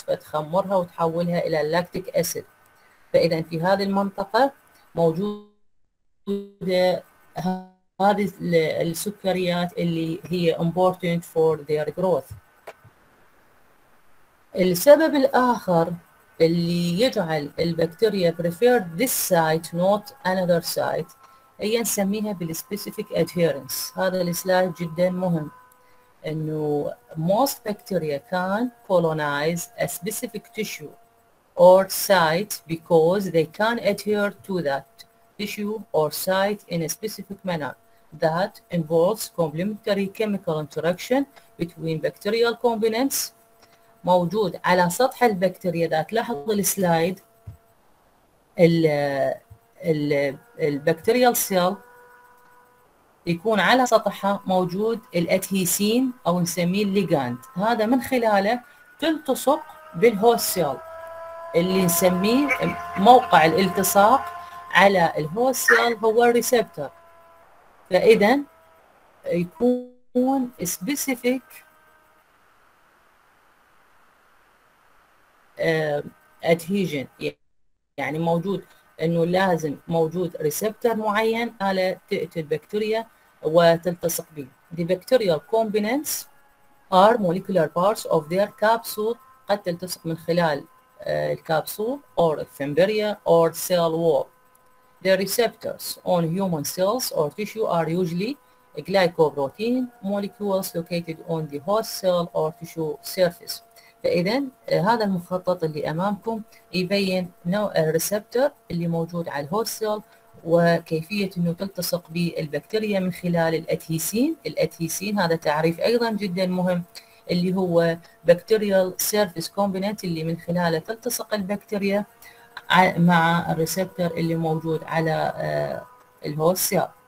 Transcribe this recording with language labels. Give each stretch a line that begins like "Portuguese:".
Arabic: فتخمرها وتحولها إلى lactic acid. فإذا في هذه المنطقة موجودة هذه السكريات اللي هي
English: important for their growth.
Arabic: السبب الآخر اللي يجعل البكتيريا
English: prefer this site not another site
Arabic: هي نسميها بالspecific adherence. هذا السلايد جدا مهم.
English: إنه most bacteria can colonize a specific tissue or site because they can adhere to that tissue or site in a specific manner that involves complementary chemical interaction between bacterial components.
Arabic: موجود على سطح البكتيريا إذا تلاحظ السلايد ال البكتيريال سيل يكون على سطحها موجود الأدهيسين أو نسميه الليجاند. هذا من خلاله تلتصق بالهوست سيل اللي نسميه موقع الالتصاق على الهوست سيل هو الريسبتر. فإذا يكون سبيسيفيك أدهيجين يعني موجود إنه لازم موجود ريسبتر معين على تقتل البكتيريا وتلتصق به.
English: The bacterial components are molecular parts of their capsule.
Arabic: قد تلتصق من خلال الكابسول
English: or fimbria or cell wall. The receptors on human cells or tissue are usually glycoprotein molecules located on the host cell or tissue surface.
Arabic: فإذا هذا المخطط اللي أمامكم يبين نوع الريسبتر اللي موجود على الهوست سيل وكيفية إنه تلتصق بالبكتيريا من خلال الأدهيسين. الأدهيسين هذا تعريف أيضا جدا مهم اللي هو بكتيريال سيرفيس كومبيننت اللي من خلاله تلتصق البكتيريا مع الريسبتر اللي موجود على الهوست سيل.